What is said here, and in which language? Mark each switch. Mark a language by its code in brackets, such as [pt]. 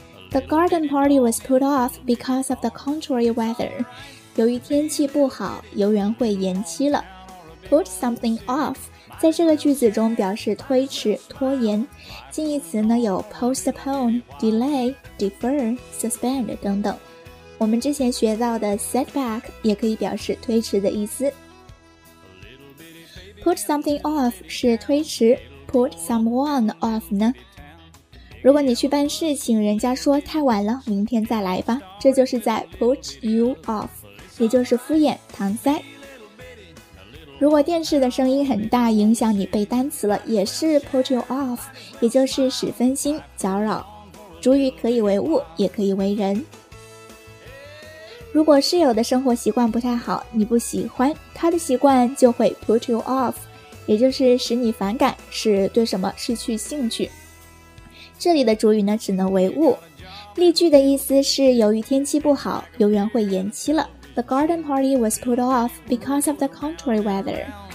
[en] The garden party was put off because of the contrary weather. [zh] 由于天气不好，游园会延期了。Put something off 在这个句子中表示推迟、拖延。近义词呢有 postpone, delay, defer, suspend 等等。我们之前学到的 setback 也可以表示推迟的意思。 Put something off 是推迟， put someone off 呢？如果你去办事情，人家说太晚了，明天再来吧，这就是在 put you off， 也就是敷衍搪塞。如果电视的声音很大，影响你背单词了，也是 put you off， 也就是使分心搅扰。主语可以为物也可以为人。如果室友的生活习惯不太好，你不喜欢他的习惯，就会 put you off， 也就是使你反感，使对什么失去兴趣。这里的主语呢只能为物。例句的意思是，由于天气不好，游园会延期了。 [en] The garden party was put off because of the contrary weather.